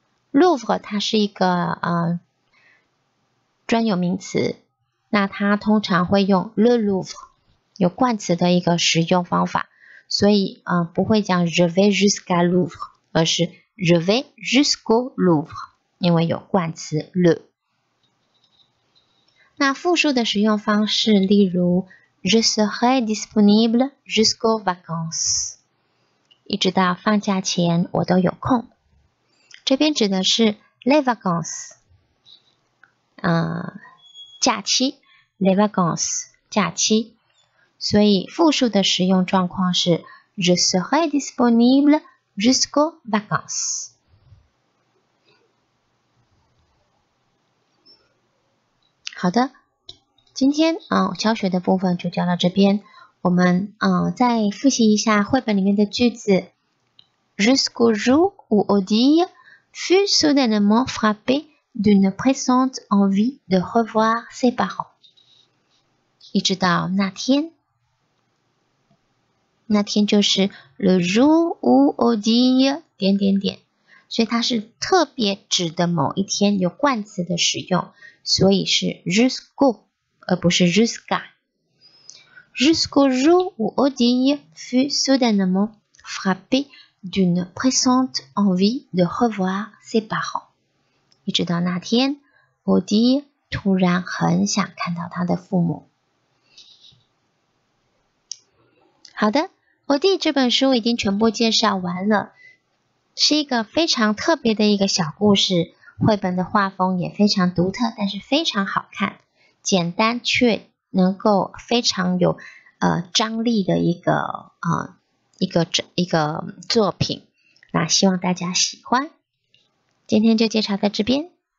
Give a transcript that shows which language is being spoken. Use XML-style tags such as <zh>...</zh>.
<zh>Louvre 它是一个专有名词，那它通常会用 le Louvre， 有冠词的一个使用方法，所以不会讲</zh> <fr>Je vais jusqu'à Louvre，</fr> <zh>而是</zh> <fr>Je vais jusqu'au Louvre，</fr> <zh>因为有冠词 le。那复数的使用方式，例如。</zh> <fr>Je serai disponible jusqu'aux vacances.</fr> <zh>一直到放假前我都有空。这边指的是 les vacances. 假期 ,les vacances, 假期。所以复数的使用状况是</zh> <fr>Je serai disponible jusqu'aux vacances.</fr> <zh>好的。今天教学的部分就教到这边，我们再复习一下绘本里面的句子。</zh> <fr>Jusqu'au jour où Odile fut soudainement frappée d'une pressante envie de revoir ses parents.</fr> <zh>一直到那天，那天就是</zh> <fr>le jour où Odile</fr> <zh>点点点，所以它是特别指的某一天，有冠词的使用，所以是 jusqu'au。而不是 jusqu'à。</zh> <fr>Jusqu'au jour où Odile fut soudainement frappée d'une pressante envie de revoir ses parents.</fr> <zh>一直到那天， Odile 突然很想看到他的父母。好的， Odile 这本书已经全部介绍完了，是一个非常特别的一个小故事，绘本的画风也非常独特，但是非常好看，简单却能够非常有张力的一个作品，那希望大家喜欢。今天就介绍到这边。</zh>